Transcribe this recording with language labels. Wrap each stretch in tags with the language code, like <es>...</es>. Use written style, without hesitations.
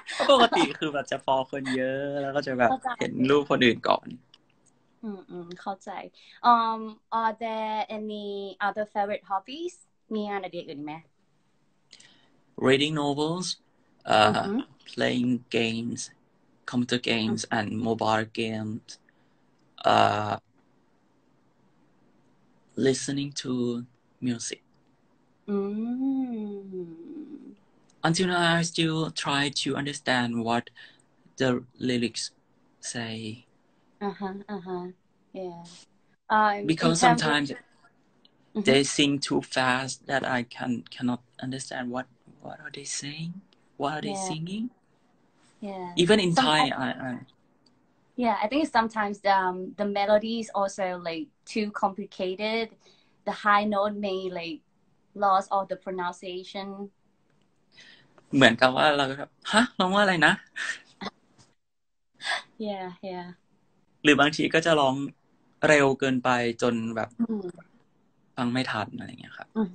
<th>ปกติคือแบบจะฟอลคนเยอะแล้วก็จะแบบเห็นรูปคนอื่นก่อน เข้าใจ</th> <en>are there any other favorite hobbies</en> <th>มีอะไรอื่นอีกไหม</th> <en>reading novels playing games computer games and mobile games listening to musicUntil now, I still try to understand what the lyrics say. Yeah. Because sometimes they sing too fast that I cannot understand what are they saying? What are they singing? Yeah. Even in sometimes, Thai, I think sometimes the melody is also like too complicated. The high note may like. Loss of the pronunciation.</en> <th>เหมือนกับว่าเราฮะร้องว่าอะไรนะ</th> <en>Yeah, yeah.</en> <th>หรือบางทีก็จะร้องเร็วเกินไปจนแบบฟังไม่ทันอะไรเงี้ยครับ</th>